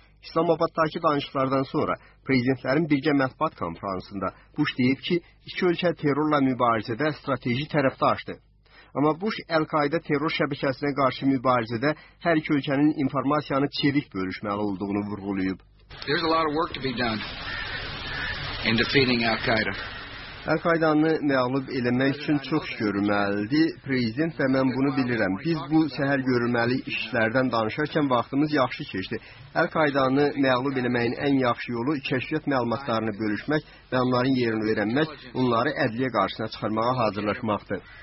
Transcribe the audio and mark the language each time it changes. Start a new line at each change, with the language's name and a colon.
Azerbaijani: İslamabaddakı danışıqlardan sonra prezidentlərin birgə mətbuat konfransında Bush deyib ki, iki ölkə terrorla mübarizədə strateji tərəfdaşdır. Amma Bush Əl-Qaida terror şəbəkəsinə qarşı mübarizədə hər iki ölkənin informasiyanı çevik bölüşməli olduğunu vurğulayıb.
English: There's a lot of work to be done in defeating Al-Qaida.
Azerbaijani: Əl-Qaidanı məğlub eləmək üçün çox iş görülməlidir. Prezident və mən bunu bilirəm. Biz bu səhər görülməli işlərdən danışarkən vaxtımız yaxşı keçdi. Əl-Qaidanı məğlub eləməyin ən yaxşı yolu kəşfiyyat məlumatlarını bölüşmək və onların yerini öyrənmək, onları ədliyyə qarşısına çıxarmağa hazırlaşmaqdır.